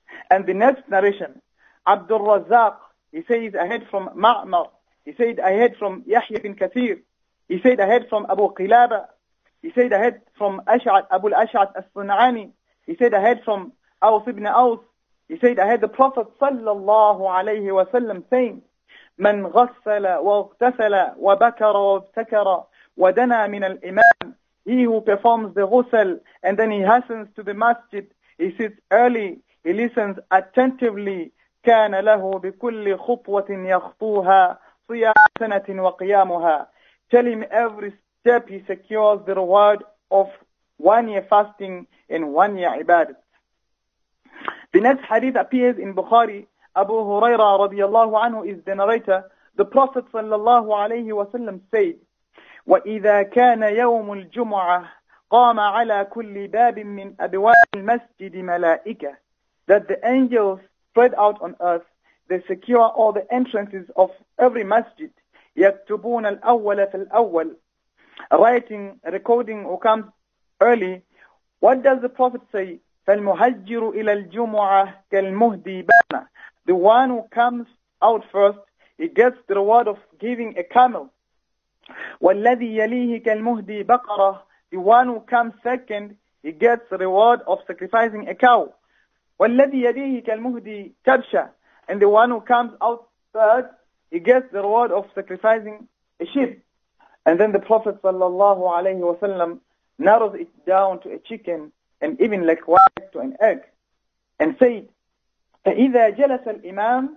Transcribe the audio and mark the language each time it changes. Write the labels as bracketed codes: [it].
[en] And the next narration, Abdul Razzaq, he says ahead from Ma'mar, he said ahead from Yahya bin Kathir, he said ahead from Abu Qilaba, he said ahead from Ash'ad, Abu al-Ash'ad al-Sun'ani, he said ahead from Aws ibn Aws, he said ahead the Prophet sallallahu alayhi wa sallam saying, [ar] من غسل واغتسل وبكر وابتكر ودنا من الإمام. [en] He who performs the ghusl and then he hastens to the masjid, he sits early, he listens attentively. [ar] كان له بكل خطوة يخطوها صيام سنة وقيامها. [en] Tell him every step he secures the reward of 1 year fasting and 1 year ibadah. The next hadith appears in Bukhari. Abu Huraira radiallahu anhu is the narrator. The Prophet sallallahu alayhi wa sallam said, [ar] وَإِذَا كَانَ يَوْمُ الْجُمُعَةِ قَامَ عَلَى كُلِّ بَابٍ مِّنْ أَبْوَابِ الْمَسْجِدِ مَلَائِكَةٍ. [en] That the angels spread out on earth, they secure all the entrances of every masjid. [ar] يَكْتُبُونَ الْأَوَّلَ فِي الْأَوَّلِ. [en] Writing, recording who comes early. What does the Prophet say? [ar] فَالْمُهَجِّرُ إِلَى الْجُمُعَةِ كَالْمُهْدِي بَانَ. [en] The one who comes out first, he gets the reward of giving a camel. [ar] والذي يليه كالمهدي بقرة. [en] The one who comes second, he gets the reward of sacrificing a cow. [ar] والذي يليه كالمهدي كبشة. [en] And the one who comes out third, he gets the reward of sacrificing a sheep. And then the Prophet sallallahu alayhi wa sallam narrows it down to a chicken and even likewise to an egg and said, [ar] فَإِذَا جَلَسَ الْإِمَامِ.